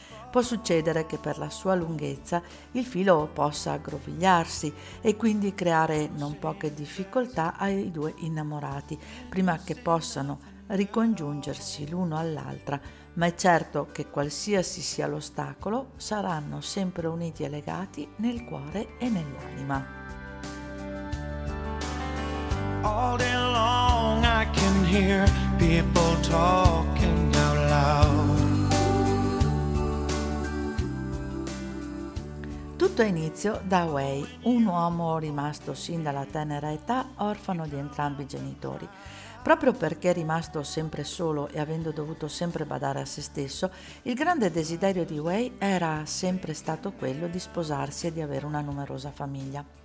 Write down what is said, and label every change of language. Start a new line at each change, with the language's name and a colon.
Italian: Può succedere che per la sua lunghezza il filo possa aggrovigliarsi e quindi creare non poche difficoltà ai due innamorati prima che possano ricongiungersi l'uno all'altra, ma è certo che qualsiasi sia l'ostacolo saranno sempre uniti e legati nel cuore e nell'anima.
English: All day long I can hear people talking out loud.
Italian: Tutto ha inizio da Wei, un uomo rimasto sin dalla tenera età orfano di entrambi i genitori. Proprio perché è rimasto sempre solo e avendo dovuto sempre badare a se stesso, il grande desiderio di Wei era sempre stato quello di sposarsi e di avere una numerosa famiglia.